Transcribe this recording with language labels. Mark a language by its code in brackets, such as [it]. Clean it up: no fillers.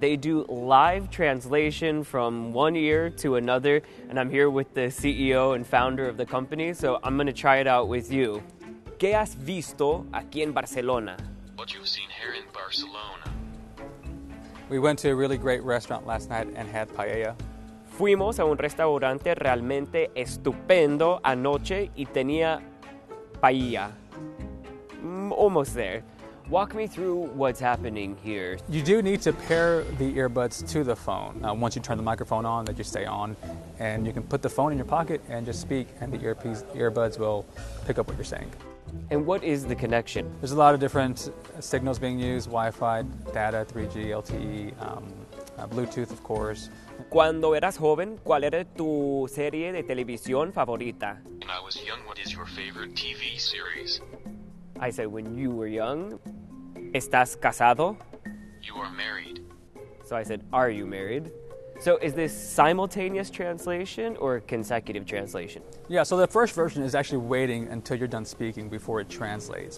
[en] They do live translation from one ear to another, and I'm here with the CEO and founder of the company, so I'm going to try it out with you. [es] ¿Qué has visto aquí en Barcelona? [en] What you've seen here in Barcelona. We went to a really great restaurant last night and had paella. [es] Fuimos a un restaurante realmente estupendo anoche y tenía paella. [en] Almost there. Walk me through what's happening here. You do need to pair the earbuds to the phone. Once you turn the microphone on, that you stay on, and you can put the phone in your pocket and just speak, and the earbuds will pick up what you're saying. And what is the connection? There's a lot of different signals being used, Wi-Fi, data, 3G, LTE, Bluetooth, of course. [es] Cuando eras joven, ¿cuál era tu serie de televisión favorita? [en] When I was young, what is your favorite TV series? I said, when you were young, [es] ¿estás casado? [en] You are married. So I said, are you married? So is this simultaneous translation or consecutive translation? Yeah, so the first version is actually waiting until you're done speaking before it translates.